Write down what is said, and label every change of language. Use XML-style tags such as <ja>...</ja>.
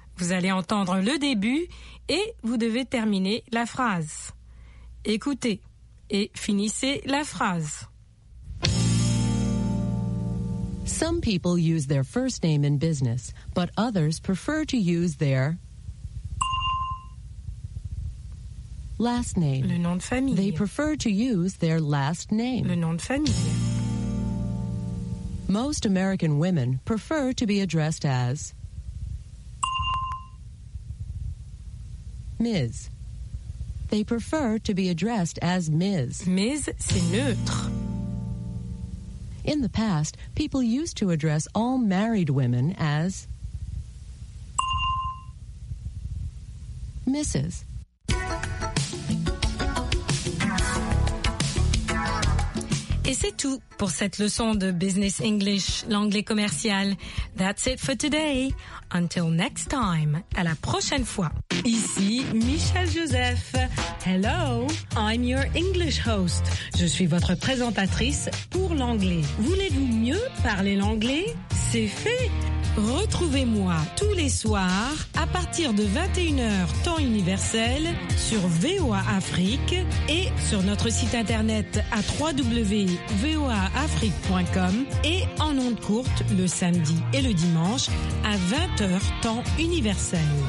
<fr>Vous allez entendre le début et vous devez terminer la phrase. Écoutez et finissez la phrase.</fr> <en>Some people use their first name in business, but others prefer to use their last name.</en> <fr>Le nom de famille.</fr> <en>They prefer to use their last name.</en> <fr>Le nom de famille.</fr> <en>Most American women prefer to be addressed as Ms. They prefer to be addressed as Ms.</en> <fr>Ms, c'est neutre.</fr> <en>In the past, people used to address all married women as Mrs.</en> <fr>Et c'est tout pour cette leçon de Business English, l'anglais commercial.</fr> <en>That's it for today. Until next time. À la prochaine fois.</en> <fr>Ici Michel Joseph.</fr> <en>Hello, I'm your English host.</en> <fr>Je suis votre présentatrice pour l'anglais. Voulez-vous mieux parler l'anglais? C'est fait. Retrouvez-moi tous les soirs à partir de 21h temps universel sur VOA Afrique et sur notre site internet à www.voaafrique.com et en ondes courtes le samedi et le dimanche à 20h temps universel.</fr>